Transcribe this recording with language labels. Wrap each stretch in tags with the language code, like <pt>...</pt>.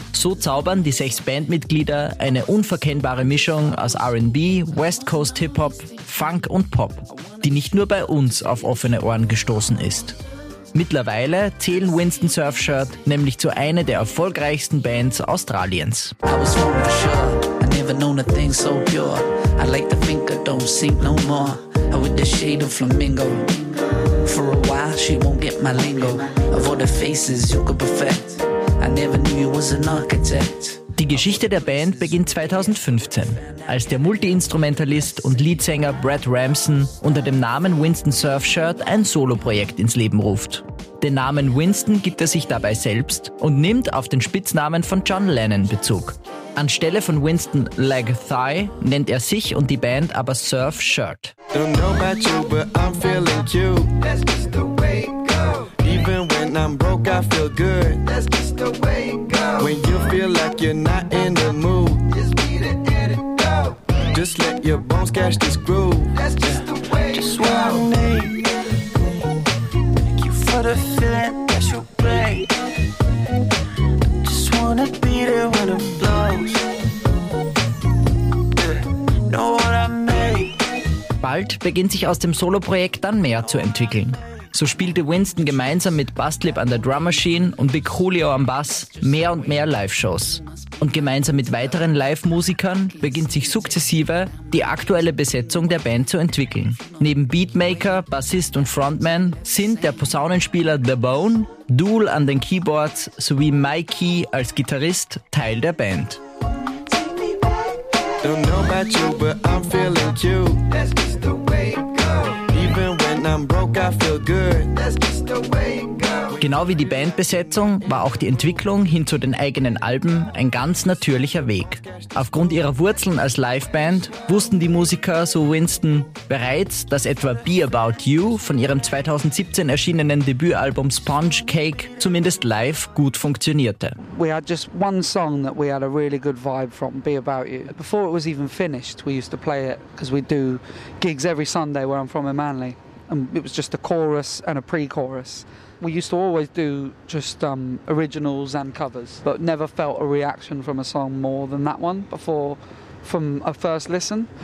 <de>So zaubern die sechs Bandmitglieder eine unverkennbare Mischung aus R&B, Westcoast Hip-Hop, Funk und Pop, die nicht nur bei uns auf offene Ohren gestoßen ist. Mittlerweile zählen Winston Surfshirt nämlich zu einer der erfolgreichsten Bands Australiens.</de> <en>I was wrong for sure, I never known a thing so pure. I like to think I don't sink no more. I with the shade of flamingo. For a while she won't get my lingo. Of all the faces you could perfect. I never knew you was an architect.</en> <de>Die Geschichte der Band beginnt 2015, als der Multiinstrumentalist und Leadsänger Brad Ramson unter dem Namen Winston Surfshirt ein Soloprojekt ins Leben ruft. Den Namen Winston gibt er sich dabei selbst und nimmt auf den Spitznamen von John Lennon Bezug. Anstelle von Winston Leg Thigh nennt er sich und die Band aber Surfshirt.</de> <en>Don't know about you, but I'm feeling cute. That's just the way it goes. Even when I'm broke, I feel good. That's just the way it goes. When you feel like you're not in the mood. Just be the editor. Just let your bones catch this groove. That's just the way it goes. Just one name. Thank you for the feeling that you bring. Just wanna be there when it blows. Know what I mean.</en> <de>Bald beginnt sich aus dem Soloprojekt dann mehr zu entwickeln. So spielte Winston gemeinsam mit Bustlip an der Drum Machine und Big Julio am Bass mehr und mehr Live-Shows. Und gemeinsam mit weiteren Live-Musikern beginnt sich sukzessive die aktuelle Besetzung der Band zu entwickeln. Neben Beatmaker, Bassist und Frontman sind der Posaunenspieler The Bone, Duel an den Keyboards sowie Mikey als Gitarrist Teil der Band.</de> <en>Don't know about you, but I'm feeling cute. That's just the way it goes. Even when I'm broke, I feel good. That's just the way it goes.</en> <de>Genau wie die Bandbesetzung war auch die Entwicklung hin zu den eigenen Alben ein ganz natürlicher Weg. Aufgrund ihrer Wurzeln als Liveband wussten die Musiker, so Winston, bereits, dass etwa Be About You von ihrem 2017 erschienenen Debütalbum Sponge Cake zumindest live gut funktionierte.</de> <en>We had just one song that we had a really good vibe from, Be About You. Before it was even finished, we used to play it, because we do gigs every Sunday where I'm from in Manly. And it was just a chorus and a pre-chorus. We used to always do just originals and covers, but never felt a reaction from a song more than that one before, from a first listen.</en>